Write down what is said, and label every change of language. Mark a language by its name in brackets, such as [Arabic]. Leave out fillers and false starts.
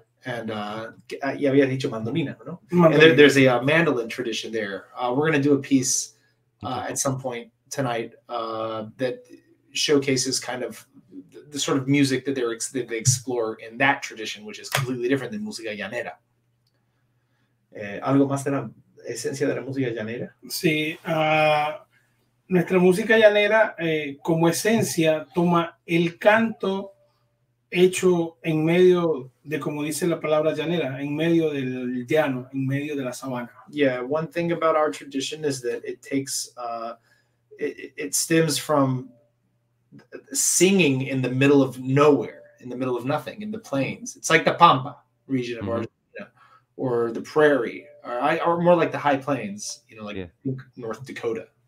[English] And [Spanish] ya había dicho mandolina, ¿no? [English] And there's a mandolin tradition there. We're going to do a piece at some point tonight that showcases kind of the sort of music that they explore in that tradition, which is completely different than música llanera. [Spanish] Algo más de la esencia de la música llanera. Sí, nuestra música llanera como esencia toma el canto hecho en medio de, como dice la palabra llanera, en medio del llano, en medio de la sabana. [English] Yeah, one thing about our tradition is that it takes it stems from singing in the middle of nowhere, in the middle of nothing, in the plains. It's like the Pampa region of Argentina, or the prairie, or more like the high plains, you know, like North Dakota.